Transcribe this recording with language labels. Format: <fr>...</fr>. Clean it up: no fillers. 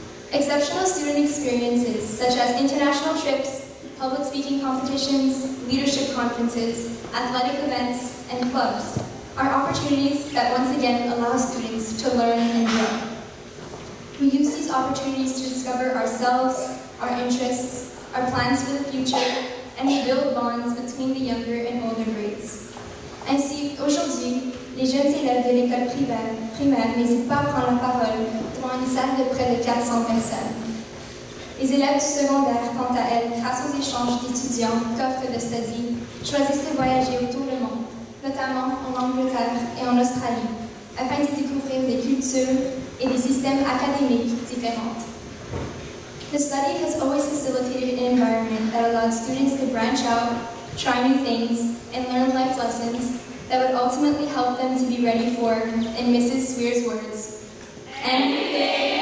<en>Exceptional student experiences, such as international trips, public speaking competitions, leadership conferences, athletic events, and clubs, are opportunities that once again allow students to learn and grow. We use these opportunities to discover ourselves, our interests, our plans for the future, and to build bonds between the younger and older grades.</en> <fr>Ainsi, aujourd'hui, les jeunes élèves de l'école primaire n'hésitent pas à prendre la parole devant une salle de près de 400 personnes. Les élèves du secondaire, quant à elles, grâce aux échanges d'étudiants qu'offre le study, choisissent de voyager autour du monde, notamment en Angleterre et en Australie, afin de découvrir des cultures et des systèmes académiques différents.</fr> <en>The study has always facilitated an environment that allowed students to branch out, try new things, and learn life lessons that would ultimately help them to be ready for, in Mrs. Sweer's words, anything.</en>